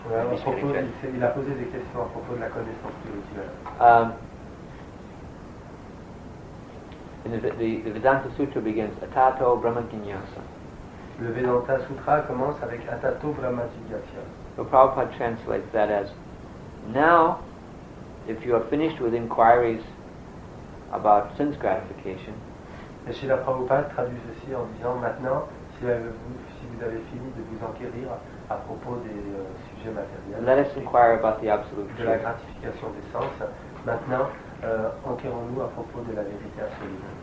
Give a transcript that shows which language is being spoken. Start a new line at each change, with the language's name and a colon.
French: Il a posé des questions à propos de la connaissance spirituelle.
English: The Vedanta Sutra begins Atato Brahma Jnyasa.
French: Le Vedanta Sutra commence avec Atato Brahma Jnyasa.
English: So Prabhupada translates that as, now, if you are finished with inquiries about sense gratification,
French: et Srila Prabhupada traduit ceci en disant, maintenant, si vous avez fini de vous enquérir à propos des sujets matériels,
English: let us inquire about the absolute
French: de la gratification des sens, maintenant, enquérons-nous à propos de la vérité absolue.